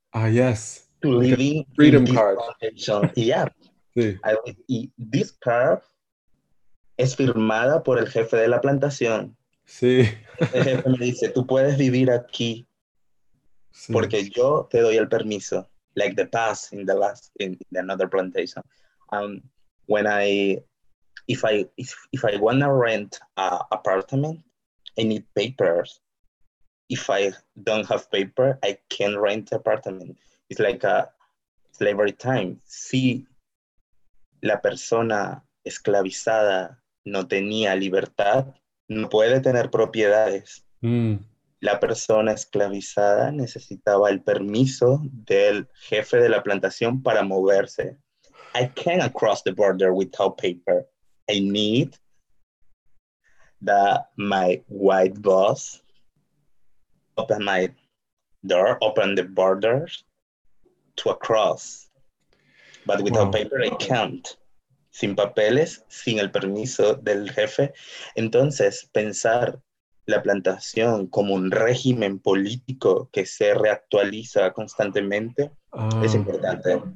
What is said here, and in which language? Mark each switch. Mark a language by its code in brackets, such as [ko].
[en] Yes. To live in freedom card. Yeah. Sí. [es] Y [en] this card [es] es firmada por el jefe de la plantación. Sí. El jefe me dice, tú puedes vivir aquí. Sí. Porque yo te doy el permiso. [en] Like the pass in the last, in another plantation. When I, if I want to rent an apartment, I need papers. If I don't have paper, I can't rent the apartment. It's like a slavery time. [es] Si la persona esclavizada no tenía libertad, no puede tener propiedades. Mm. La persona esclavizada necesitaba el permiso del jefe de la plantación para moverse. [en] I can't cross the border without paper. I need that my white boss open my door, open the borders to a cross. But without paper, I can't. [es] Sin papeles, sin el permiso del jefe. Entonces, pensar la plantación como un régimen político que se reactualiza constantemente es importante.